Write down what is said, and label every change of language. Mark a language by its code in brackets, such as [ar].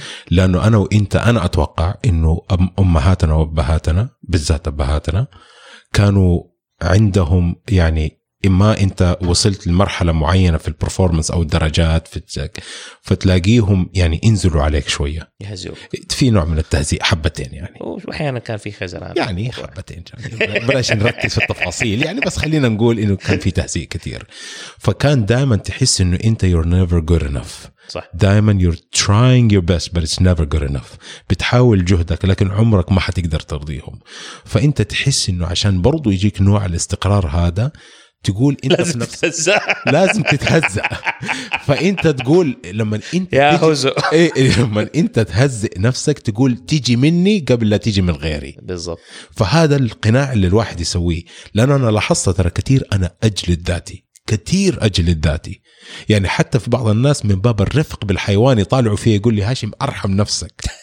[ar] لأنه أنا وإنت، أنا أتوقع إنه أمهاتنا وأبهاتنا، بالذات أبهاتنا، كانوا عندهم يعني إما أنت وصلت لمرحلة معينة في البرفورمانس أو الدرجات في فتلاقيهم يعني ينزلوا عليك شوية، يهزوك في نوع من التهزيء حبتين يعني، وأحيانا كان في خزران يعني حبتين يعني. بلاش نركز في التفاصيل يعني، بس خلينا نقول إنه كان في تهزيء كثير. فكان دائما تحس إنه أنت [en] you're never good enough. [ar] صح. [en] دائما you're trying your best but it's never good enough، [ar] بتحاول جهدك لكن عمرك ما حتقدر ترضيهم. فأنت تحس إنه عشان برضو يجيك نوع الاستقرار هذا، تقول انت لازم تتهزأ. لازم تتهزأ. فانت تقول لما انت لما انت تهزئ نفسك، تقول تيجي مني قبل لا تيجي من غيري. بالضبط. فهذا القناع اللي الواحد يسويه، لان انا لاحظت ترى كثير انا اجلد ذاتي، كثير اجلد ذاتي يعني، حتى في بعض الناس من باب الرفق بالحيوان يطالعوا فيه يقول لي هاشم ارحم نفسك.